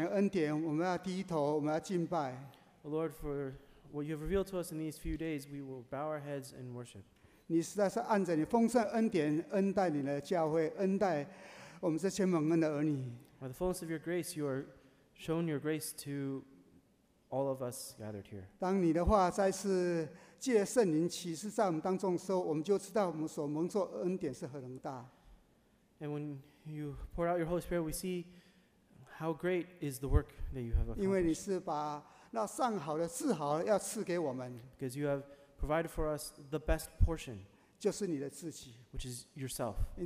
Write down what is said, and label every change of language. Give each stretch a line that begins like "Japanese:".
English: Lord, for what you have revealed to us in these few days, we will bow our heads and worship. By the fullness of your grace, you are shown your grace to all of us gathered here.
Chinese: 当你的话再次借圣灵启示在我们当中的时候，我们就知道我们所蒙受恩典是何等大。
English: And when you pour out your Holy Spirit, we see how great is the work that you have accomplished. Because you have provided for us the best portion, which is yourself.